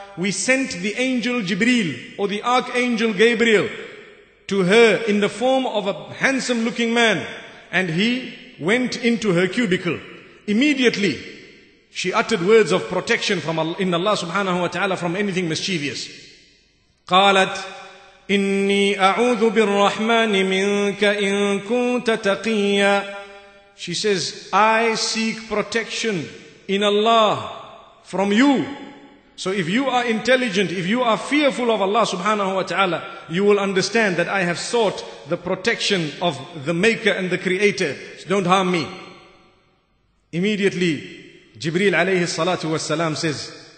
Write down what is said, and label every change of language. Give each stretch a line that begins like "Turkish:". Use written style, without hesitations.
English: We sent the angel Jibreel, or the archangel Gabriel, to her in the form of a handsome looking man. And he went into her cubicle. Immediately, she uttered words of protection from Allah, in Allah subhanahu wa ta'ala, from anything mischievous.
Arabic: قالت, إني أعوذ بالرحمن منك إن كنت تقيا.
English: She says, I seek protection in Allah from you. So if you are intelligent, if you are fearful of Allah subhanahu wa ta'ala, you will understand that I have sought the protection of the Maker and the Creator. So don't harm me. Immediately, Jibreel alayhi salatu wa salam says,